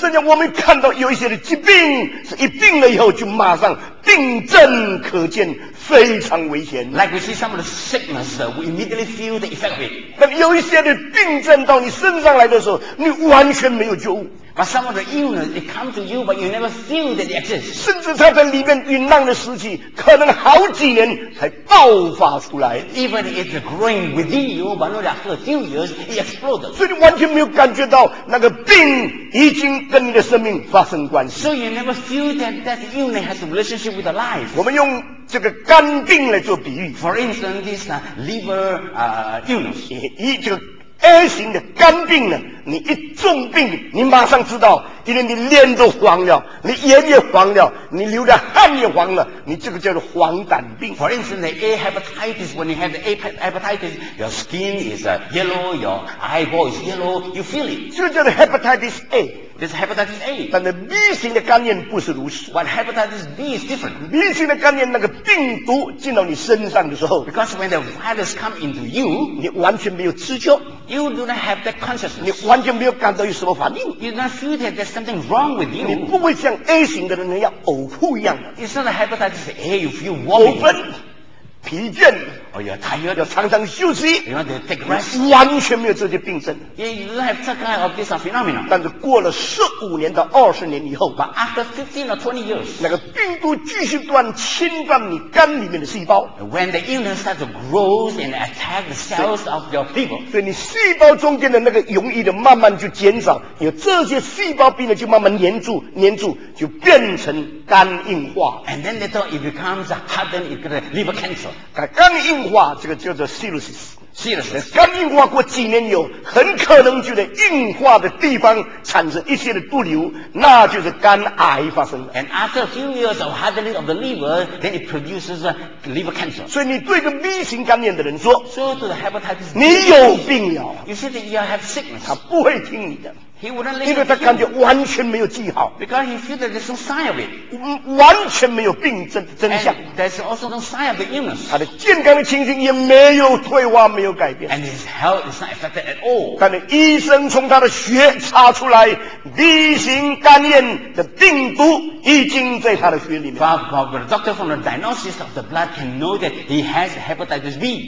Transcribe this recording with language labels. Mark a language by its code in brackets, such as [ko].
[zh] 甚至我们看到有一些的疾病，是一病了以后就马上病症可见，非常危险。 [en] Like we see some of the sickness, we immediately feel the effect of it. [zh] 但有一些的病症到你身上来的时候，你完全没有救。 [en] But some of the illness, they come to you, but you never feel that they exist. [zh] 甚至他在里面酝酿的时期，可能好几年才爆发出来。 [en] Even it's growing within you, but only after a few years, it exploded. [zh] 所以你完全没有感觉到那个病已经跟你的生命发生关系。 [en] So you never feel that that illness has a relationship with the life. [zh] 我们用这个肝病来做比喻。 [en] For instance, this liver illness. [zh] 以这个A 型的肝病呢，你一重病，你马上知道，因为你脸都黄了，你眼也黄了，你流的汗也黄了，你这个叫做黄疸病。 [en] For instance, the A hepatitis, when you have the A hepatitis, your skin is yellow, your eyeball is yellow, you feel it. [zh] 这个叫做 hepatitis A。 [en] This hepatitis A. [zh] 但是 B 型的肝炎不是如此。 [en] But hepatitis B is different. [zh] B 型的肝炎那个病毒进到你身上的时候 [en] ，because when the virus come into you， [zh] 你完全没有知觉。 [en] You do not have that consciousness. [zh] 你完全没有感到有什么反应。 [en] You do not feel that there's something wrong with you. [zh] 你不会像 A 型的人那样呕吐一样的。 [en] It's not a hepatitis A. You feel vomiting. [zh] 疲倦 [en] ，Oh yeah, tired. [zh] 要常常休息 [en] ，You want to take rest. [zh] 完全没有这些病症 [en] ，Yeah, you don't have that kind of this phenomenon. [zh] 但是过了15年到20年以后 [en] ，But after 15 or 20 years, [zh] 那个病毒继续断侵犯你肝里面的细胞。 [en] When the illness starts to grow and attack the cells of your people, [zh] 所以你细胞中间的那个容易的慢慢就减少，有这些细胞病呢就慢慢粘住，就变成肝硬化。 [en] And then later it becomes hardened, it gets liver cancer. [zh] 肝硬化这个叫做 cirrhosis， [en] cirrhosis [zh] 肝硬化过几年有很可能就在硬化的地方产生一些的毒瘤，那就是肝癌发生了。 [en] And after a few years of hardening of the liver, then it produces liver cancer. [zh] 所以你对个 B 型肝炎的人说 [en] ，So to the hepatitis， [zh] 你有病了。 [en] You see that you have sickness， [zh] 他不会听你的。 [en] He wouldn't listen. [zh] 因为他感觉完全没有记号。 [en] Because he feels that there's no sign of it. [zh] 完全没有病症真相。 [en] And there's also no sign of the illness. [zh] 他的健康的情形也没有退化，没有改变。 [en] And his health is not affected at all. [zh] 但是医生从他的血查出来 B 型肝炎的病毒已经在他的血里面。 [en] But the doctor from the diagnosis of the blood can know that he has hepatitis B.